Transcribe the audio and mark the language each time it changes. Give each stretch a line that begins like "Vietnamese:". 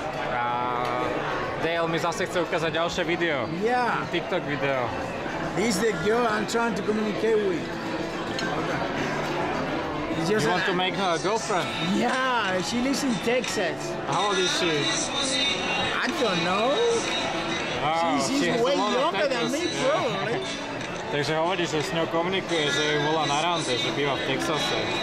Slovak: A Dale mi zase chce ukázať ďalšie video.
English: Yeah. TikTok video. He's the girl I'm trying to communicate with. Okay. You want to make her a girlfriend? Yeah, she lives in Texas. How old is she? I don't know. Wow, she's way younger than me, bro. Yeah.
Slovak: Takže hovorí, že s ňou komunikuje, že ju volá na rande, že býva v Texase.